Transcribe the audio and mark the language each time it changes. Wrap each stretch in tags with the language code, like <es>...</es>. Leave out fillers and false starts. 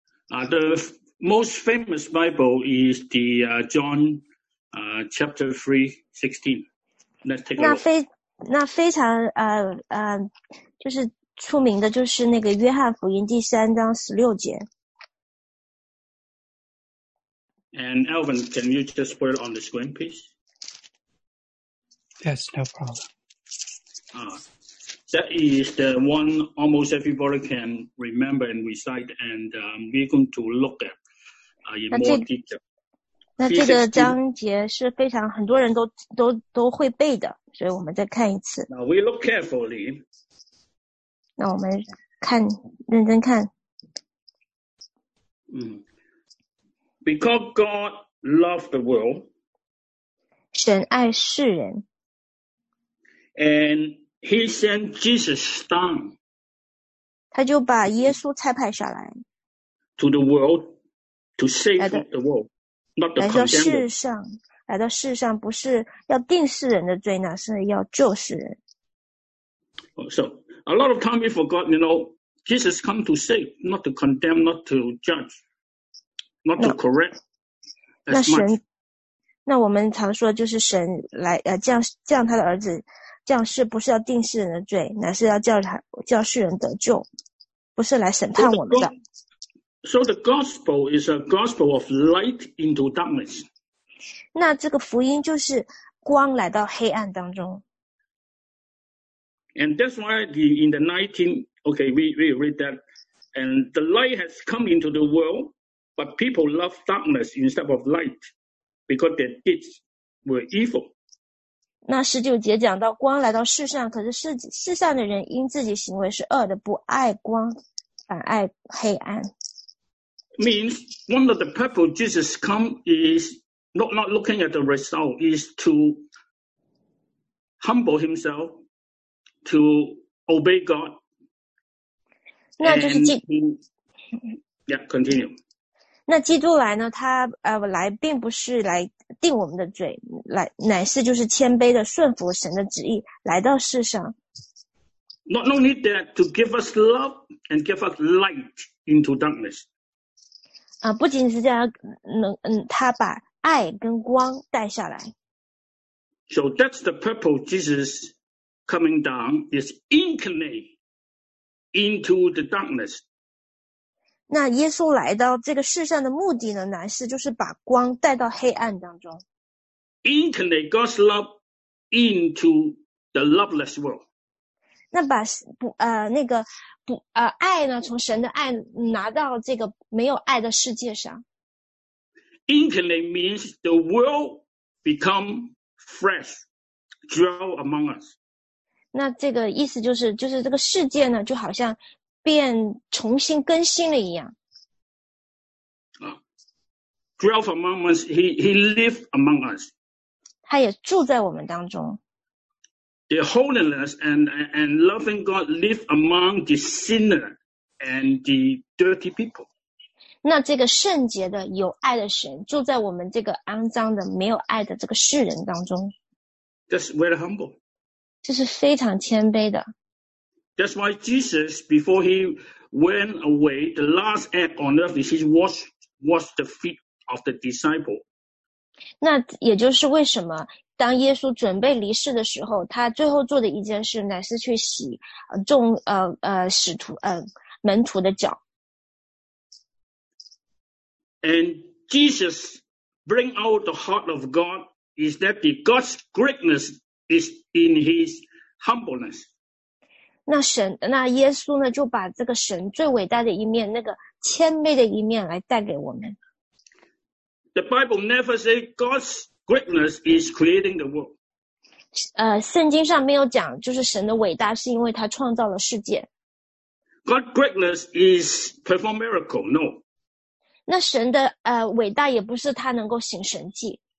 <en>The most famous Bible is the John chapter 3:16. Let's take a look.</en> <zh>就是出名的就是那个约翰福音第三章十六节。</zh> <en>And Alvin, can you just put it on the screen, please? Yes, no problem. That is the one almost everybody can remember and recite, and we're going to look at in more detail.</en> <zh>那这个章节是非常很多人都会背的，所以我们再看一次。</zh> <en>Now we look carefully.</en> <zh>那我们看认真看。</zh> <en>Because God loved the world.</en> <zh>神爱世人。</zh> <en>And He sent Jesus down.</en> <zh>他就把耶稣差派下来。</zh> <en>To the world to save the world.</en> <zh>来到世上，来到世上不是要定世人的罪呢，是要救世人。</zh> <en>So a lot of time we forgot, you know, Jesus come to save, not to condemn, not to judge, not to correct.</en> <zh>那神，那我们常说就是神来降他的儿子降世，不是要定世人的罪，乃是要叫世人得救，不是来审判我们的。</zh> <en>So the gospel is a gospel of light into darkness.</en> <zh>那这个福音就是光来到黑暗当中。</zh> <en>And that's why in the 19, okay, we read that. And the light has come into the world, but people love darkness instead of light because their deeds were evil.</en> <zh>那十九节讲到光来到世上，可是世上的人因自己行为是恶的，不爱光，反爱黑暗。</zh> <en>Means one of the purpose Jesus come is not looking at the result, is to humble himself, to obey God.</en> <zh>那就是</zh> <en>continue.</en> <zh>那基督来呢，他来并不是来定我们的罪，来乃是就是谦卑的顺服神的旨意来到世上。</zh> <en>Not only that, to give us love and give us light into darkness.</en> <zh>不仅是这样，他把爱跟光带下来。</zh> <en>So that's the purpose Jesus coming down is incarnate into the darkness.</en> <zh>那耶稣来到这个世上的目的呢，乃是就是把光带到黑暗当中。</zh> <en>Incarnate God's love into the loveless world.</en> <zh>那把那个爱呢，从神的爱拿到这个没有爱的世界上。</zh> <en>Incarnate means the world become flesh, dwell among us.</en> <zh>那这个意思就是这个世界呢，就好像变重新更新了一样。</zh> <en>Dwell among us, he live among us.</en> <zh>他也住在我们当中。</zh> <en>The holiness and loving God live among the sinner and the dirty people.</en> <zh>那这个圣洁的有爱的神住在我们这个肮脏的没有爱的这个世人当中。</zh> <en>That's very humble.</en> <zh>这是非常谦卑的。</zh> <en>That's why Jesus, before he went away, the last act on earth is he washed the feet of the disciple.</en> <zh>那也就是为什么当耶稣准备离世的时候，他最后做的一件事乃是去洗众使徒门徒的脚。</zh> <en>And Jesus bring out the heart of God is that the God's greatness is in his humbleness.</en> <zh>那神，那耶稣呢，就把这个神最伟大的一面，那个谦卑的一面来带给我们。</zh> <en>The Bible never says God's greatness is creating the world.</en> <zh>圣经上没有讲，就是神的伟大是因为他创造了世界。</zh> <en>God's greatness is perform miracle, no.</en> <zh>那神的伟大也不是他能够行神迹。</zh>